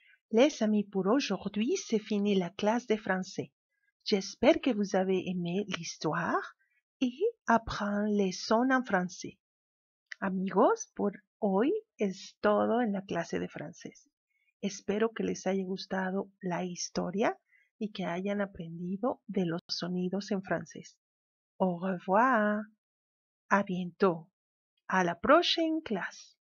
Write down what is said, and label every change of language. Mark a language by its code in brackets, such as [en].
[fr] Les amis, pour aujourd'hui, c'est fini la classe de français. J'espère que vous avez aimé l'histoire et apprendre les sons en français. [es] Amigos, por hoy es todo en la clase de francés. Espero que les haya gustado la historia y que hayan aprendido de los sonidos en francés. [fr] Au revoir. A bientôt. A la prochaine clase.